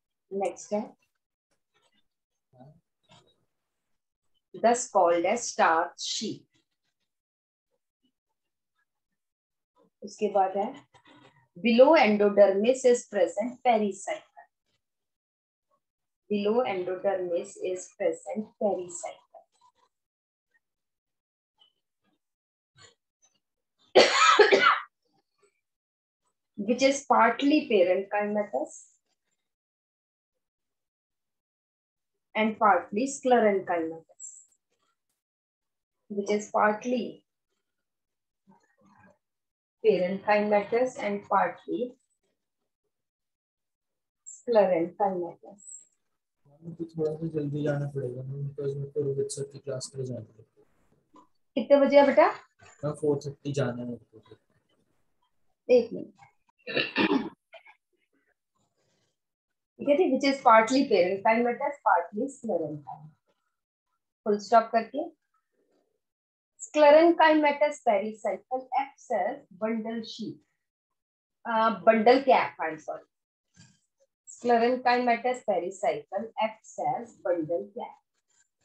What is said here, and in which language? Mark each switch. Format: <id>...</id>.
<en>Next step. Thus called as starch sheath.</en> <hi>उसके बाद है</hi> <en>Below endodermis is present pericycle. Below endodermis is present pericycle. Which is partly parenchymatous and partly sclerenchymatous. Which is partly parenchymatous and partly sclerenchymatous.</en> <hi>कितने बजे बेटा? मैं 4:30 जाना है. एक मिनट. ठीक है.</hi> <en>Is partly parenchymatous partly sclerenchymatous. Full stop करके sclerenchymatous pericycle acts as bundle sheath, bundle cap, I'm sorry. Sclerenchymatous pericycle acts as bundle cap.</en>